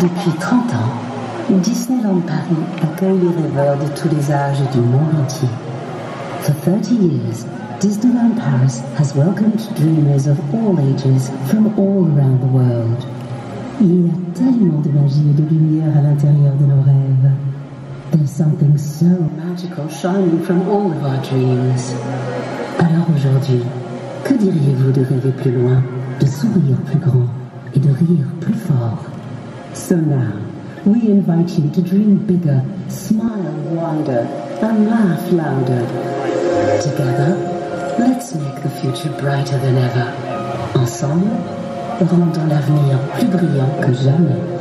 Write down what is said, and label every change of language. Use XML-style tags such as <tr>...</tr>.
<fr>Depuis 30 ans, Disneyland Paris accueille les rêveurs de tous les âges du monde entier.</fr> <en>For 30 years, Disneyland Paris has welcomed dreamers of all ages from all around the world.</en> <fr>Il y a tellement de magie et de lumière à l'intérieur de nos rêves.</fr> <en>There's something so magical shining from all of our dreams.</en> <fr>Alors aujourd'hui, que diriez-vous de rêver plus loin, de sourire plus grand et de rire plus fort?</fr> <en>So now, we invite you to dream bigger, smile wider, and laugh louder. Together, let's make the future brighter than ever.</en> <fr>Ensemble, rendons l'avenir plus brillant que jamais.</fr>